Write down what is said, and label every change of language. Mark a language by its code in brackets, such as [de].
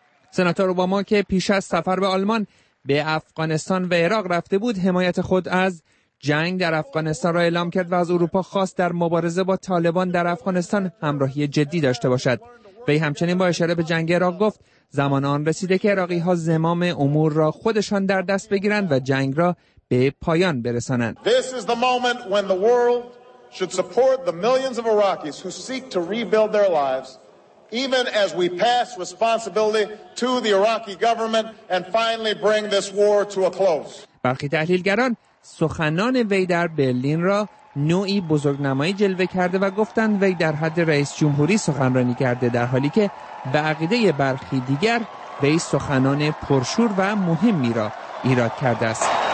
[fa] سناتور اوباما که پیش از سفر به آلمان به افغانستان و عراق رفته بود، حمایت خود از جنگ در افغانستان را اعلام کرد و از اروپا خواست در مبارزه با طالبان در افغانستان همراهی جدی داشته باشد. وی همچنین با اشاره به جنگ عراق گفت زمان آن رسیده که عراقی ها زمام امور را خودشان در دست بگیرند و جنگ را به پایان برسانند. [en] This is the moment when the world should support the millions of Iraqis who seek to rebuild their lives, even as we pass responsibility to the Iraqi government and finally bring this war to a close. [fa] برخی تحلیلگران سخنان وی در برلین را نوعی بزرگنمایی جلوه کرده و گفتند وی در حد رئیس جمهوری سخنرانی کرده، در حالی که به عقیده برخی دیگر وی سخنان پرشور و مهمی را ایراد کرده است.